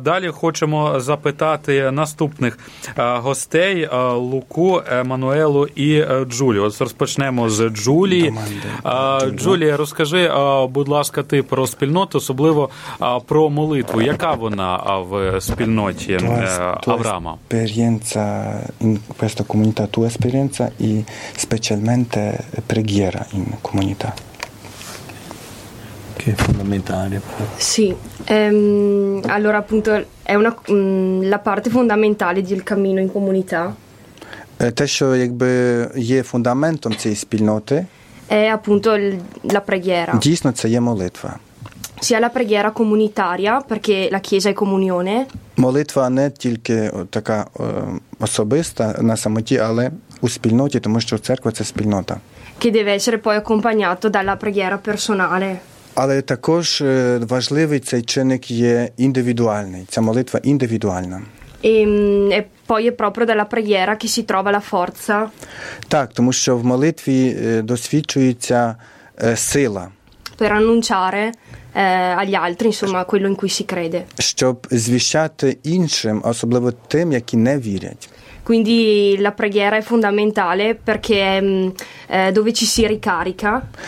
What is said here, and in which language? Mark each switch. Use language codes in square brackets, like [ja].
[uk] Далі хочемо запитати наступних гостей, Луку, Еммануелу і Джулі. Ось розпочнемо з Джулі. Джулі, розкажи, будь ласка, ти про спільноту, особливо про молитву. Яка вона в спільноті Авраама? [it] Tua esperienza in questa comunità, tua esperienza e specialmente preghiera in comunità. Che è fondamentale. Sì, allora appunto è una la parte fondamentale del cammino in comunità. [uk] Те, що якби є фундаментом цієї спільноти, [it] è appunto la preghiera. [uk] Дійсно, це є молитва. [it] Sia la preghiera comunitaria, perché la Chiesa è comunione. [uk] Молитва не тільки така особиста на самоті, але у спільноті, тому що церква – це спільнота. [it] Che deve essere poi accompagnato dalla preghiera personale. [uk] Але також важливий цей чинник є індивідуальний. Ця молитва індивідуальна. [it] E poi è proprio dalla preghiera che si trova la forza. [uk] Так, тому що в молитві досвідчується сила. [it] Per annunciare agli altri, insomma, quello in cui si crede. [uk] Щоб звіщати іншим, особливо тим, які не вірять. [it] Quindi la preghiera è fondamentale perché dove ci si ricarica.